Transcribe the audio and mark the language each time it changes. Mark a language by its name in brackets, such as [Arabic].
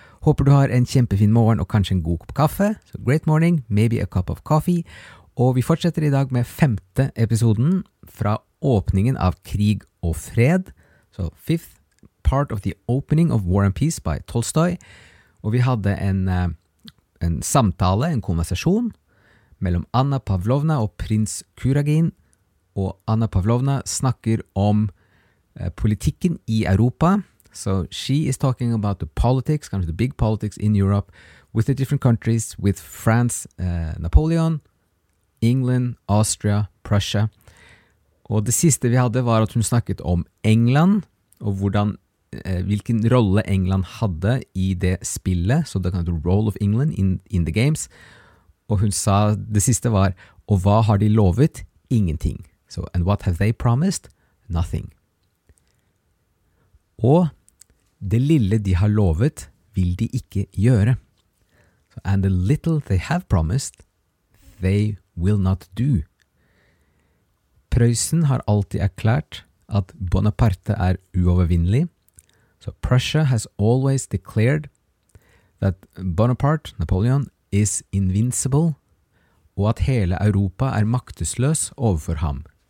[Norwegian] Håper du har en kjempefin morgen og kanskje en god kopp kaffe. [English] So great morning, maybe a cup of coffee. [Norwegian] Og vi fortsetter I dag med femte episoden fra åpningen av Krig og fred. [English] So fifth part of the opening of War and Peace by Tolstoy. [Norwegian] Og vi hadde en samtale, en konversasjon mellom Anna Pavlovna og prins Kuragin. Og Anna Pavlovna snakker om politikken I Europa. [English] So she is talking about the politics, kind of the big politics in Europe with the different countries, with France, Napoleon, England, Austria, Prussia. [Norwegian] Og det siste vi hadde var at hun snakket om England og hvordan, hvilken rolle England hadde I det spillet. [English] So the kind of the role of England in the games. [Norwegian] Og hun sa det siste var, og hva har de lovet? Ingenting. [English] So, and what have they promised? Nothing. [Norwegian] Og det lille de har lovet, vil de ikke gjøre. [English] So, and the little they have promised, they will not do. [Norwegian] Preussen har alltid erklært at Bonaparte uovervinnelig. [English] So, Prussia has always declared that Bonaparte, Napoleon, is invincible, [Norwegian] og at hele Europa maktesløs overfor ham.